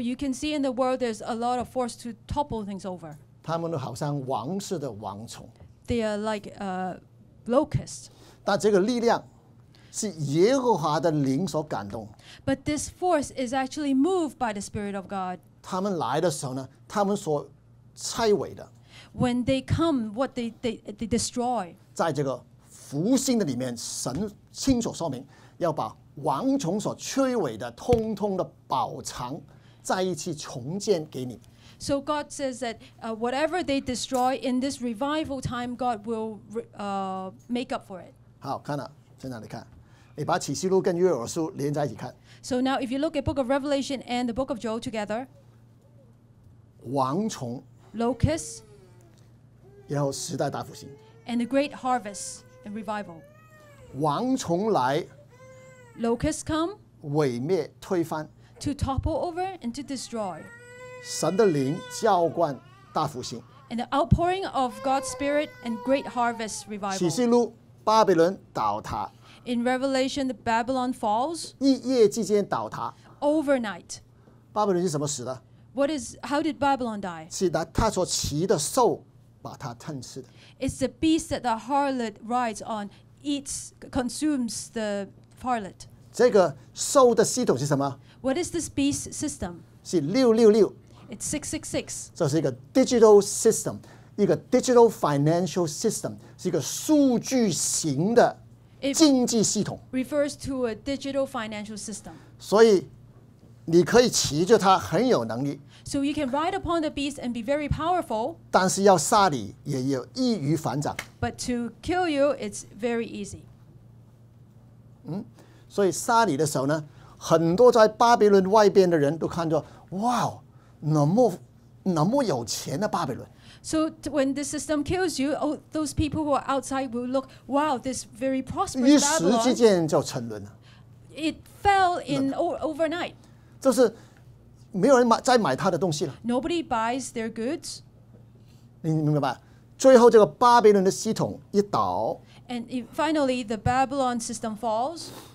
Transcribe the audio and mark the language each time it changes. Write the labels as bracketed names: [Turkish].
[English] you can see in the world there's a lot of force to topple things over. [Chinese] 他们好像王室的蝗虫。 [English] They are like locusts. [Chinese] 但这个力量 是耶和华的灵所感动。 [English] But this force is actually moved by the Spirit of God. [Chinese] 他们来的时候呢，他们所拆毁的。 [English] When they come, what they destroy. [Chinese] 在这个复兴的里面，神亲手说明，要把蝗虫所摧毁的，通通的保藏，再一次重建给你。 [English] So God says that whatever they destroy in this revival time, God will make up for it. [Chinese] 好，看了，在哪里看？你把启示录跟约珥书连在一起看。 [English] So now, if you look at Book of Revelation and the Book of Joel together, [Chinese] 蝗虫 [English] locust, [Chinese] 然后时代大复兴 [English] and the great harvest and revival. [Chinese] 蝗虫来 [English] locust come, [Chinese] 毁灭推翻 [English] to topple over and to destroy. [Chinese] 神的灵浇灌大复兴 [English] and the outpouring of God's Spirit and great harvest revival. [Chinese] 启示录巴比伦倒塌 [English] In Revelation, the Babylon falls. [Chinese] 一夜之间倒塌, [English] overnight. [Chinese] 巴比伦是怎么死的? [English] What is? How did Babylon die? [Chinese] 是他所骑的兽把他吞噬的. [English] It's the beast that the harlot rides on, eats, consumes the harlot. [Chinese] 这个兽的系统是什么? [English] What is this beast system? [Chinese] 是666. [English] It's 666. [Chinese] 这是一个 [English] digital system, [Chinese] 一个 [English] digital financial system, [Chinese] 是一个数据型的. [English] It refers to a digital financial system. [Chinese] 所以你可以骑着它很有能力, [English] so you can ride upon the beast and be very powerful. [Chinese] 但是要杀你也有易于反掌, [English] but to kill you, it's very easy. [Chinese] 所以杀你的时候呢, 很多在巴比伦外边的人都看着, [English] wow, [Chinese] 那么有钱的巴比伦。 [English] So when this system kills you, oh, those people who are outside will look, wow, this very prosperous Babylon. It fell in overnight. [Chinese] 就是没有人再买他的东西了。 [English] Nobody buys their goods. [Chinese] 你明白吧? 最后这个巴比伦的系统一倒, [English] and finally, the Babylon system falls.